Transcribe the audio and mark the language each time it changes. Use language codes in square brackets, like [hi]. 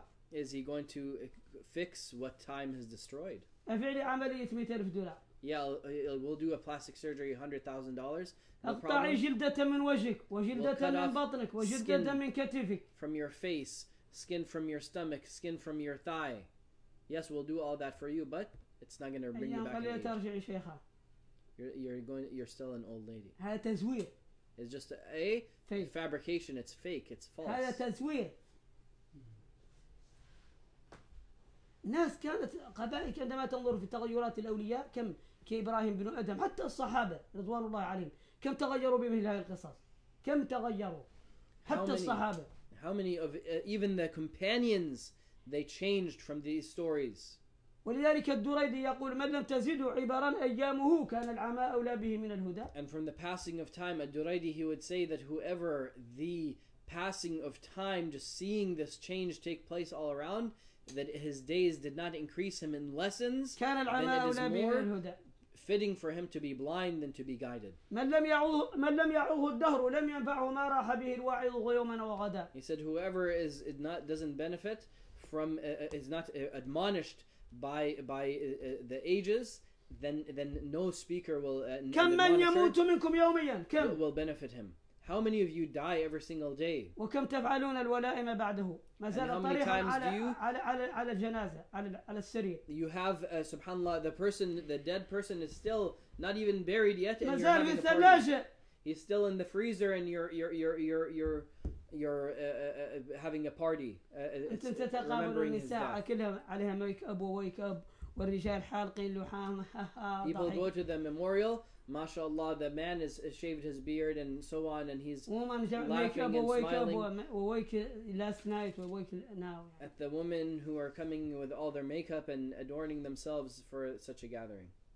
[en] Is he going to fix what time has destroyed? Yeah, we'll do a plastic surgery, $100,000. [ar] أقطعي جلدة من وجهك وجلدة من بطنك وجلدة من كتفك. [en] From your face. skin from your stomach, skin from your thigh. Yes, we'll do all that for you, but it's not going to bring you back in age. You're still an old lady. It's just a fabrication. It's fake. It's false. [ar] ناس كانت قبائل عندما تنظر في تغيرات الأولياء كم كإبراهيم بن أدم حتى الصحابة رضوان الله عليهم كم تغيروا بمثل هذه القصص كم تغيروا حتى الصحابة [en] how many of even the companions they changed from these stories [ar] ولذلك الدريدي يقول من لم تزد عبرا أيامه كان العمى أولى به من الهدى [en] and from the passing of time الدريدي he would say that whoever the passing of time just seeing this change take place all around that his days did not increase him in lessons [ar] كان العمى أولى به من الهدى [en] fitting for him to be blind than to be guided. [ar] من لم يعوه الدهر لم ينفعه ما راح به الواعظ يوما وغدا. [en] He said whoever is not doesn't benefit from is not admonished by the ages then no speaker will [ar] كم من يموت منكم يوميا كم [en] will benefit him. How many of you die every single day? [ar] وكم تفعلون الولائم بعده؟ ما زال طريحا على الجنازة على السرير. [en] You have subhanAllah the dead person is still not even buried yet. [ar] ما زال في الثلاجة. [en] He's still in the freezer and you're having a party. [ar] أنت تتقابل النساء كلها عليها ميك أب وويك أب والرجال حالقين لحام. [en] People go to the memorial. MashaAllah, the man has shaved his beard and so on, and he's laughing and smiling at the women who are coming with all their makeup and adorning themselves for such a gathering.